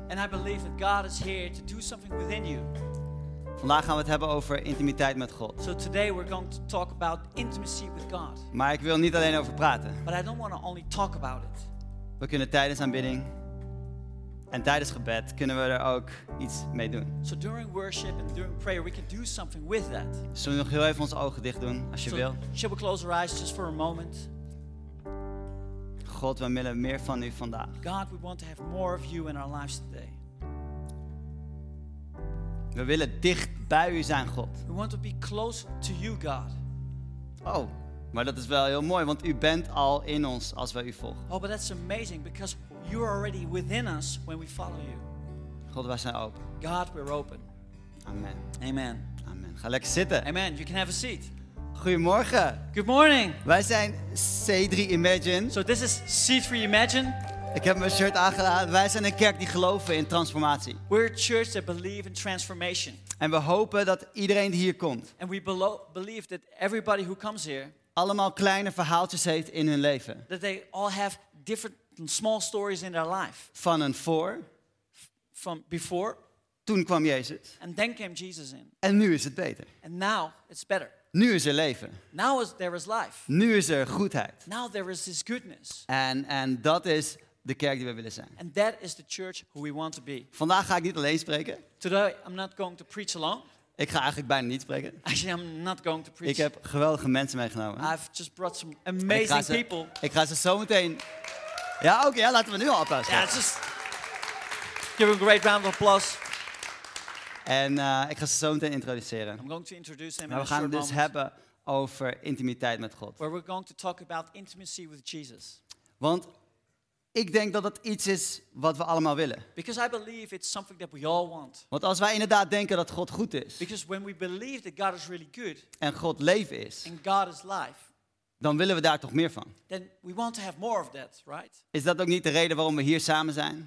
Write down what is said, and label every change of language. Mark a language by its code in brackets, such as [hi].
[en] And I believe that God is here to do something within you. [nl] Vandaag gaan we het hebben over intimiteit met God. [en] So today we're going to talk about intimacy with God. [nl] Maar ik wil niet alleen over praten. [en] But I don't want to only talk about it. [nl] We kunnen tijdens aanbidding en tijdens gebed kunnen we er ook iets mee doen. [en] So during worship and during prayer we can do something with that. [nl] Zullen we nog heel even onze ogen dicht doen als je [en] so [nl] wil? [en] Shall we close our eyes just for a moment? [nl] God, we willen meer van u vandaag. [en] God, we want to have more of you in our lives today. [nl] We willen dicht bij u zijn, God. [en] We want to be close to you, God. [nl] Oh, maar dat is wel heel mooi, want u bent al in ons als wij u volgen. [en] Oh, but that's amazing because you're already within us when we follow you. [nl] God, wij zijn open. [en] God, we're open. Amen. Amen. [nl] Amen. Ga lekker zitten. [en] Amen. You can have a seat. [nl] Goedemorgen. [en] Good morning. [nl] Wij zijn C3 Imagine. [en] So this is C3 Imagine. [nl] Ik heb mijn shirt aangedaan. Wij zijn een kerk die geloven in transformatie. [en] We're a church that believe in transformation. [nl] En we hopen dat iedereen die hier komt. [en] And we believe that everybody who comes here. [nl] Allemaal kleine verhaaltjes heeft in hun leven. [en] That they all have different small stories in their life. [nl] Van een voor. [en] From before. [nl] Toen kwam Jezus. [en] And then came Jesus in. [nl] En nu is het beter. [en] And now it's better. [nl] Nu is er leven. [en] Now there is life. [nl] Nu is er goedheid. [en] Now there is his goodness. [nl] En dat is de kerk die we willen zijn. [en] And that is the church who we want to be. [nl] Vandaag ga ik niet alleen spreken. [en] Today I'm not going to preach alone. [nl] Ik ga eigenlijk bijna niet spreken. [en] Actually, I'm not going to preach. [nl] Ik heb geweldige mensen meegenomen. [en] I've just brought some amazing people. [nl] Ik ga ze zo meteen. Ja, oké, okay, ja, laten we nu al applaus. [en] Yeah, just give a great round of applause. [nl] En ik ga ze zo meteen introduceren. [en] I'm going to introduce them [nl] maar we [en] in moment. [nl] Hebben over intimiteit met God. [en] Where we're going to talk about intimacy with Jesus. [nl] Want ik denk dat dat iets is wat we allemaal willen. [en] Because I believe it's something that we all want. [nl] Want als wij inderdaad denken dat God goed is. [en] Because when we believe that God is really good. [nl] En God leven is. [en] And God is life. [nl] Dan willen we daar toch meer van. [en] Then we want to have more of that, right? [nl] Is dat ook niet de reden waarom we hier samen zijn?